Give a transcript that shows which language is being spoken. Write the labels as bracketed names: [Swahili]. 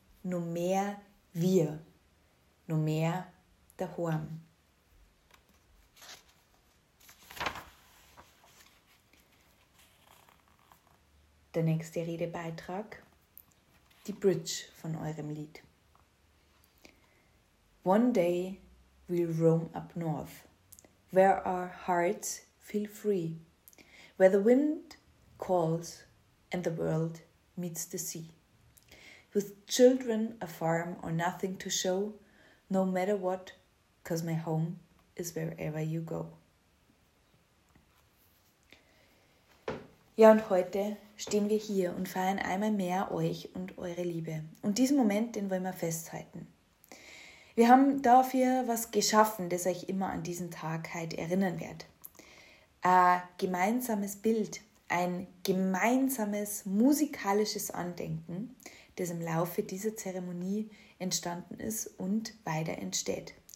[German] Nur mehr wir. Nur mehr daheim. Der nächste Redebeitrag. Die Bridge von eurem Lied. [English] One day we'll roam up north, where our hearts feel free. Where the wind calls and the world meets the sea. With children, a farm, or nothing to show, no matter what, 'cause my home is wherever you go. [German] Ja, und heute stehen wir hier und feiern einmal mehr euch und eure Liebe. Und diesen Moment, den wollen wir festhalten. Wir haben dafür was geschaffen, das euch immer an diesen Tag heute erinnern wird. Ein gemeinsames Bild, ein gemeinsames musikalisches Andenken, das im Laufe dieser Zeremonie entstanden ist und weiter entsteht.